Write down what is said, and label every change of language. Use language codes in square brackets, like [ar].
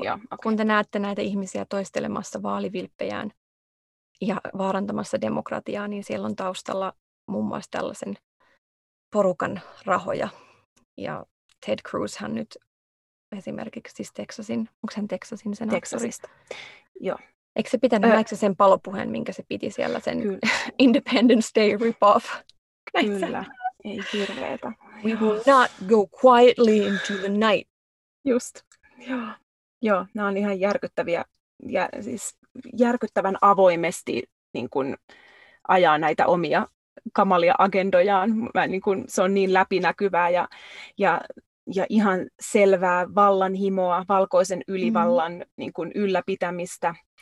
[fi] Eli kun te näette näitä ihmisiä toistelemassa vaalivilppejään ja vaarantamassa demokratiaa, niin siellä on taustalla muun muassa tällaisen porukan rahoja. Ja Ted Cruz hän nyt esimerkiksi siis Texasin, onko hän Texasin sen Texasista. Joo. Eikö se pitänyt, näetkö sen palopuheen, minkä se piti siellä sen Independence Day rip-off? Kyllä. Ei hirveetä. [en] We will not go quietly into the night. [fi] Just. Joo. Joo, nämä on ihan järkyttäviä. Ja siis järkyttävän avoimesti niin kun ajaa näitä omia kamalia agendojaan. Niin kun, se on niin läpinäkyvää ja ihan selvää vallanhimoa, valkoisen ylivallan niin kun ylläpitämistä.